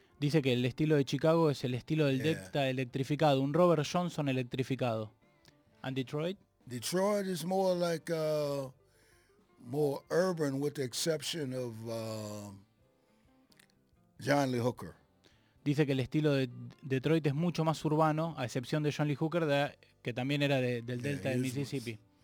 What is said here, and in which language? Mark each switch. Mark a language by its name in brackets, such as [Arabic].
[Spanish] Dice que el estilo de Chicago es el estilo del Delta electrificado, un Robert Johnson electrificado. [English] And Detroit? Detroit is more like more urban with the exception of John Lee Hooker. [Spanish] Dice que el estilo de Detroit es mucho más urbano, a excepción de John Lee Hooker, que también era del Delta del Mississippi.